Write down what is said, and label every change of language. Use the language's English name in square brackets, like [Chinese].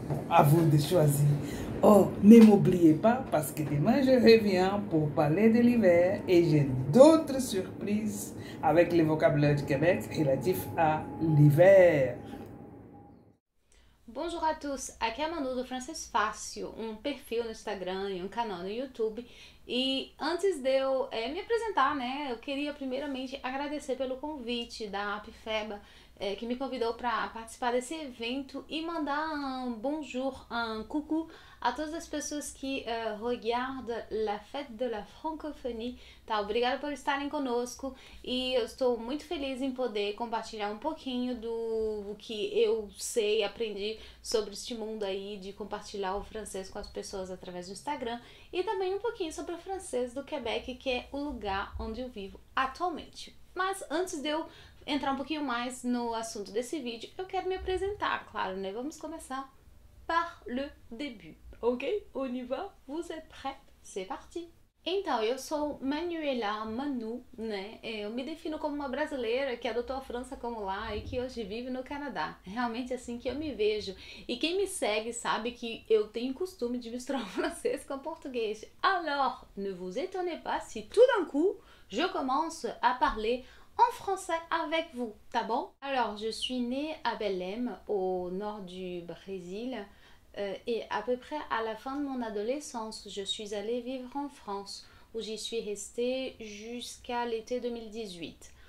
[French] À vous de choisir. Oh, ne m'oubliez pas, parce que demain je reviens pour parler de l'hiver et j'ai d'autres surprises avec le vocabulaire du Québec relatif à l'hiver. Bonjour à tous, [Portuguese] aqui é Manu do Francês Fácil, um perfil no Instagram e um canal no YouTube. E antes de eu me apresentar, né, eu queria primeiramente agradecer pelo convite da APFEBA, que me convidou para participar desse evento, e mandar um bonjour, um coucou a todas as pessoas que regardam [French] la fête de la francophonie. [Portuguese] Tá, obrigada por estarem conosco e eu estou muito feliz em poder compartilhar um pouquinho do que eu sei e aprendi sobre este mundo aí de compartilhar o francês com as pessoas através do Instagram e também um pouquinho sobre o francês do Quebec, que é o lugar onde eu vivo atualmente. Mas antes de eu entrar um pouquinho mais no assunto desse vídeo, eu quero me apresentar, claro, né? Vamos começar [French] par le début, ok? On y va? Vous êtes prêts? C'est parti! [Portuguese] Então, eu sou Manuela Manu, né? Eu me defino como uma brasileira que adotou a França como lar e que hoje vive no Canadá. Realmente é assim que eu me vejo. E quem me segue sabe que eu tenho costume de misturar o francês com o português. [French] Alors, ne vous étonnez pas si tout d'un coup, je commence à parler en français avec vous, [Portuguese] tá bom? [French] Alors, je suis née à Belém, au nord du Brésil, et à peu près à la fin de mon adolescence, je suis allée vivre en France, où j'y suis restée jusqu'à l'été 2018.